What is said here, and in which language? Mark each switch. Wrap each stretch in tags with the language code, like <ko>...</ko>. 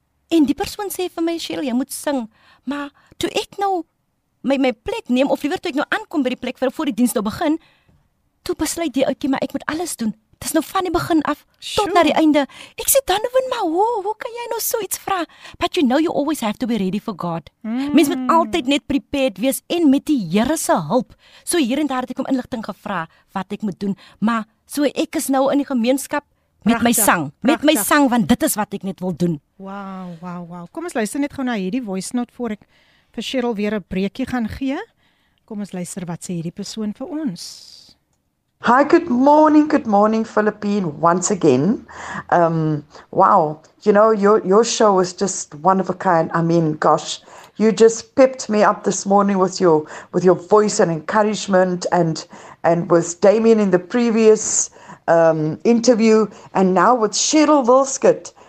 <af>En die persoon sê vir my, Cheryl, jy moet sing. Maar toe ek nou my plek neem, of liever toe ek nou aankom by die plek voor die diens nou begin, toe besluit die ouetjie, maar ek moet alles doen. Dit is nou van die begin af, tot na die einde. Ek sê, Donovan, maar hoe kan jy nou so iets vra?</af> <en>But you know you always have to be ready for God.</en> <af>Mens moet altyd net prepared wees, en met die Here se hulp. So hier en daar het ek om inligting gevra, wat ek moet doen. Maar so ek is nou in die gemeenskap, met my sang, want dit is wat ek net wil doen. Wow. Kom ons luister net gou na hierdie voice note voor ek vir Cheryl weer 'n breekie gaan gee. Kom ons luister wat sê hierdie persoon vir ons.</af> <en>Hi, good morning, Philippine, once again. Wow, you know, your show is just one of a kind. I mean, gosh, you just pepped me up this morning with your voice and encouragement and with Damien in the previous interview, and now with Cheryl Wilskut.</en>